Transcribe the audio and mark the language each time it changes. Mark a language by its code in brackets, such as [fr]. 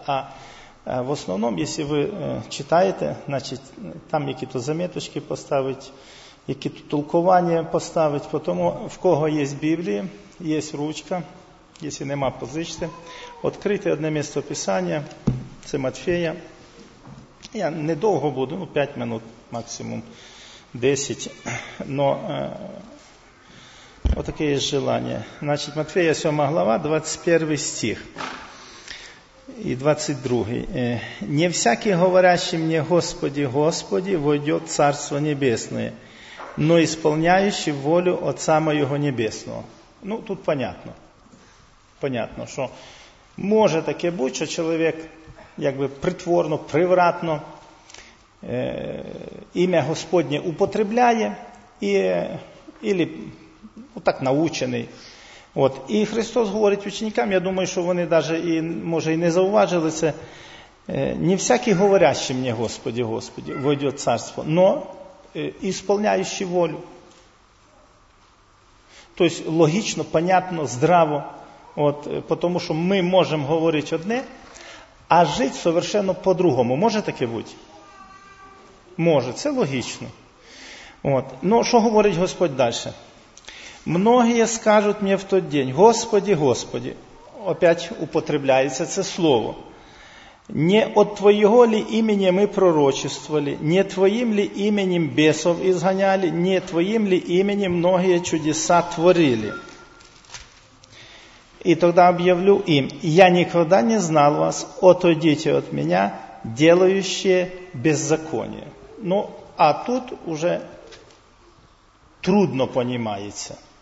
[uk] А в основному, якщо ви читаєте, значить там які-то заметочки поставити, які тут толкування поставить, тому в кого є Біблія, є ручка, якщо нема, позичте. Відкрити одне місце Писання, це Матфея. Я недовго буду, ну, [ru] 5 минут максимум, [uk] 10, но отаке є желання. Значить, Матфея 7 глава, 21 стих і 22. [ru] «Не всякий, говорящий мені, Господи, Господи, войдет в Царство Небесное, но исполняющий волю Отца Моего Небесного». Ну, тут понятно. [uk] Понятно, що може таке бути, що чоловік якби притворно, привратно ім'я Господнє употребляє і или отак научений. От. І Христос говорить ученикам, я думаю, що вони даже і може і не зауважили це, [ru] не всякий говорящий мені, Господи, Господи, войдет в царство, но исполняющий волю. [uk] Тобто логічно, понятно, здраво. От, тому що ми можемо говорити одне, а жити совершенно по-другому. Може таке бути? Може, це логічно. От. Ну, що говорить Господь далі? «Многие скажуть мені в той день, Господи, Господи», опять употребляється це слово, «не от Твоєго ли імені ми пророчествовали, не Твоїм ли іменем бесов ізганяли, не Твоїм ли іменем многие чудеса творили». [ru] И тогда объявлю им, я никогда не знал вас, отойдите от меня, делающие беззаконие. Ну, а тут уже трудно понимается.